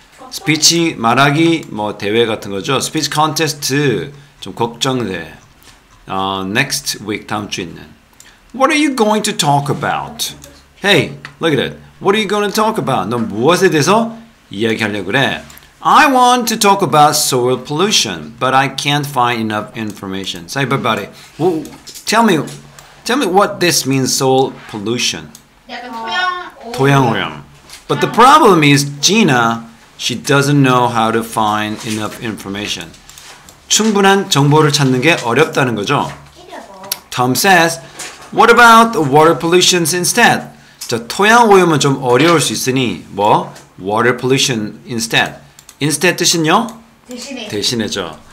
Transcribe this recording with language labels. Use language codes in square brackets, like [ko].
[ko] 스피치 말하기 뭐 대회 같은 거죠. 스피치 콘테스트 좀 걱정돼. [en] Next week [ko] 다음 주 있는. [en] What are you going to talk about? Hey, look at it. What are you going to talk about? [ko] 너 무엇에 대해서 이야기하려고 그래? [en] I want to talk about soil pollution, but I can't find enough information. Say bye bye. Well, tell me what this means, soil pollution. [ko] 토양 오염. [en] But the problem is Gina, she doesn't know how to find enough information. [ko] 충분한 정보를 찾는 게 어렵다는 거죠. [en] Tom says, what about water pollution instead? [ko] 자, 토양 오염은 좀 어려울 수 있으니 뭐? [en] Water pollution instead. Instead [ko] 뜻은요? 대신에죠.